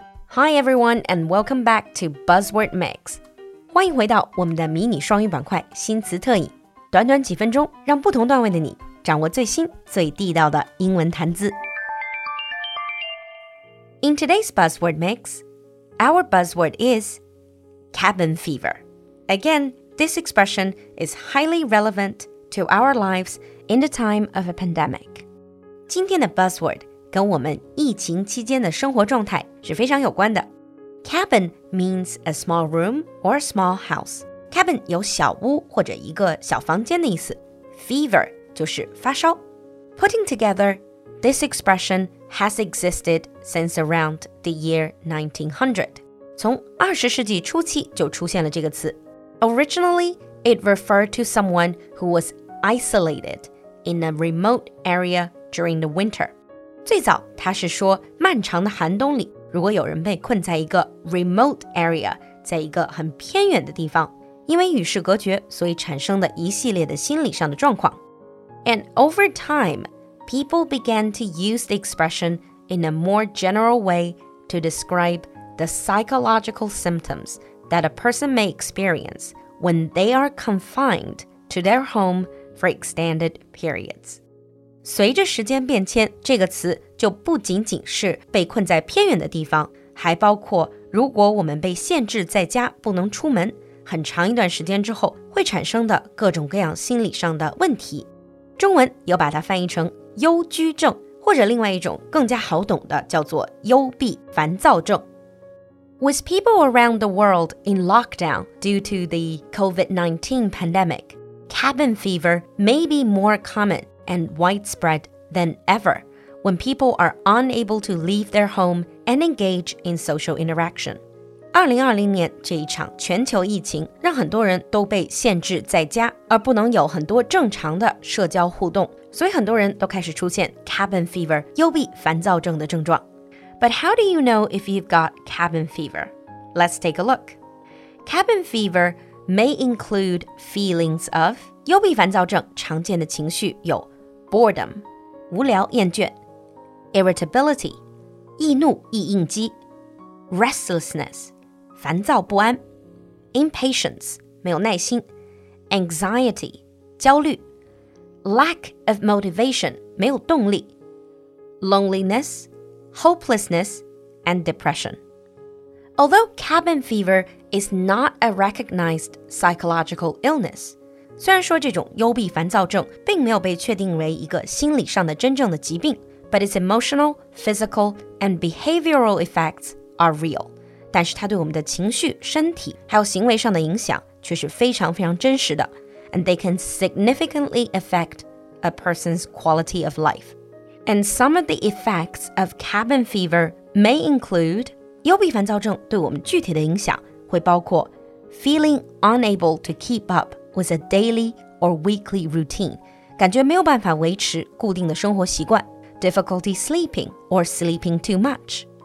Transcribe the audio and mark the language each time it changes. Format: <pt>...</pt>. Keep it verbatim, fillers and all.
<en>Hi everyone and welcome back to Buzzword Mix.</en> <zh>欢迎回到我们的迷你双语板块新词特饮。短短几分钟，让不同段位的你掌握最新最地道的英文谈资。</zh> <en>In today's Buzzword Mix, our buzzword is cabin fever. Again, this expression is highly relevant to our lives in the time of a pandemic.</en> <zh>今天的 buzzword 跟我们疫情期间的生活状态是非常有关的。</zh> <en>Cabin means a small room or small house.</en> <zh>Cabin 有小屋或者一个小房间的意思。 Fever 就是发烧。</zh> <en>Putting together, this expression has existed since around the year nineteen hundred.</en> <zh>从20世纪初期就出现了这个词。</zh> <en>Originally, it referred to someone who was isolated in a remote area during the winter.</en> <zh>最早它是说漫长的寒冬里如果有人被困在一个</zh> <en>remote area,</en> <zh>在一个很偏远的地方，因为与世隔绝，所以产生的一系列的心理上的状况。</zh> <en>And over time, people began to use the expression in a more general way to describe the psychological symptoms that a person may experience when they are confined to their home for extended periods.</en> <zh>随着时间变迁，这个词就不仅仅是被困在偏远的地方，还包括如果我们被限制在家不能出门，很长一段时间之后会产生的各种各样心理上的问题。中文有把它翻译成忧居症，或者另外一种更加好懂的叫做幽闭烦躁症。</zh> <en>With people around the world in lockdown due to the COVID nineteen pandemic, cabin fever may be more common. And widespread than ever when people are unable to leave their home and engage in social interaction.</en> <zh>二零二零年这一场全球疫情让很多人都被限制在家，而不能有很多正常的社交互动，所以很多人都开始出现 cabin fever 幽闭烦躁症的症状。</zh> <en>But how do you know if you've got cabin fever? Let's take a look. Cabin fever may include feelings of</en> <zh>幽闭烦躁症常见的情绪有</zh> <en>boredom,</en> <zh>无聊厌倦</zh> <en>irritability,</en> <zh>易怒易应激</zh> <en>restlessness,</en> <zh>烦躁不安</zh> <en>impatience,</en> <zh>没有耐心</zh> <en>anxiety,</en> <zh>焦虑</zh> <en>lack of motivation,</en> <zh>没有动力</zh> <en>loneliness, hopelessness, and depression. Although cabin fever is not a recognized psychological illness,</en> <zh>虽然说这种幽闭烦躁症并没有被确定为一个心理上的真正的疾病</zh> <en>but its emotional, physical, and behavioral effects are real.</en> <zh>但是它对我们的情绪、身体还有行为上的影响却是非常非常真实的</zh> <en>and they can significantly affect a person's quality of life. And some of the effects of cabin fever may include</en> <zh>幽闭烦躁症对我们具体的影响会包括</zh> <en>feeling unable to keep up,with a daily or weekly routine,</en> <zh>感觉没有办法维持固定的生活习惯</zh> <en>difficulty sleeping or sleeping too much,</en>